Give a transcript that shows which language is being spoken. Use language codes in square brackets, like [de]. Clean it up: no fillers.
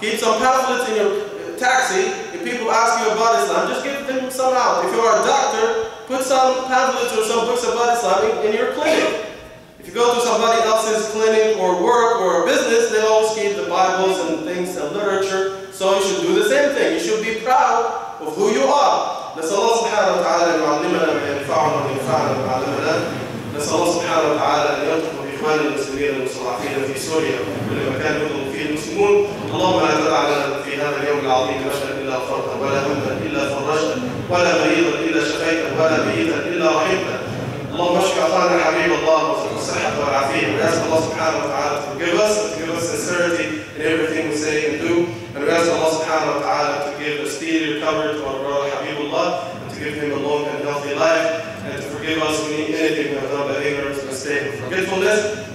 [en] Keep some pamphlets in your taxi. If people ask you about Islam, just give them some out. If you are a doctor, put some pamphlets or some books about Islam in your clinic. If you go to somebody else's clinic or work or business, they always keep the Bibles and things and literature. So you should do the same thing. You should be proud of who you are. [ar] نسأل الله سبحانه وتعالى أن يعلمنا ما ينفعنا وأن ينفعنا ما علمنا. نسأل الله سبحانه وتعالى أن يرزق إخوان المسلمين المستضعفين في سوريا وكل مكان يكون فيه المسلمون. اللهم لا تدع لنا في هذا اليوم العظيم بشرا إلا غفرته، ولا هما إلا فرجته، ولا مريضا إلا شفيته، ولا ميتا إلا رحمته. اللهم اشف إخواننا حبيب الله وفق الصحة والعافية. نسأل الله سبحانه وتعالى [en] to give us sincerity in everything we say and do. And we ask Allah subhanahu wa ta'ala to give a speedy recovery to our brother Habibullah, and to give him a long and healthy life, and to forgive us anything we have done by ignorance, mistake, or forgetfulness.